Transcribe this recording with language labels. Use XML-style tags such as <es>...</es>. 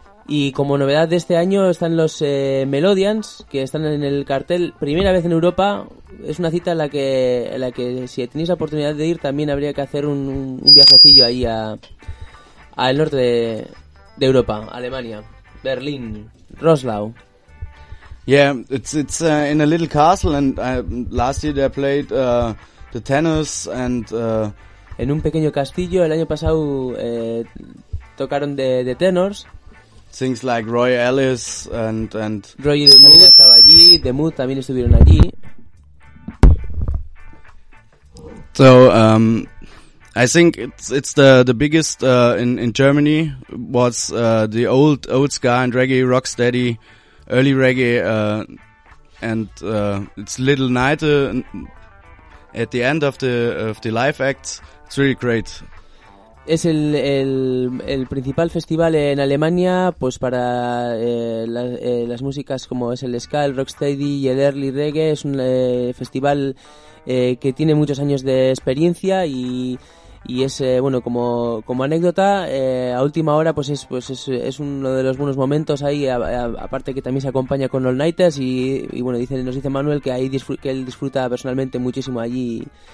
<es>Y como novedad de este año están los Melodians, que están en el cartel. Primera vez en Europa, es una cita en la que si tenéis la oportunidad de ir también habría que hacer un viajecillo ahí al norte de Europa, Alemania, Berlín, Roslau.</es> <en>Yeah, it's in a little castle, and last year they played the tenors and</en> <es>en un pequeño castillo el año pasado tocaron de tenors.</es> <en>Things like Roy Ellis and</en> <es>Roy también estaba allí, The Mood también estuvieron allí.</es> <en>So I think it's the biggest in Germany was the old ska and reggae, rock steady. Early reggae and it's Little Night at the end of the live acts. It's really great.</en> <es>Es el principal festival en Alemania, pues para las músicas como es el ska, el rocksteady y el early reggae. Es un festival que tiene muchos años de experiencia y es bueno, como anécdota, a última hora pues es uno de los buenos momentos ahí, aparte que también se acompaña con All Nighters y bueno, nos dice Manuel que ahí él disfruta personalmente muchísimo allí.</es>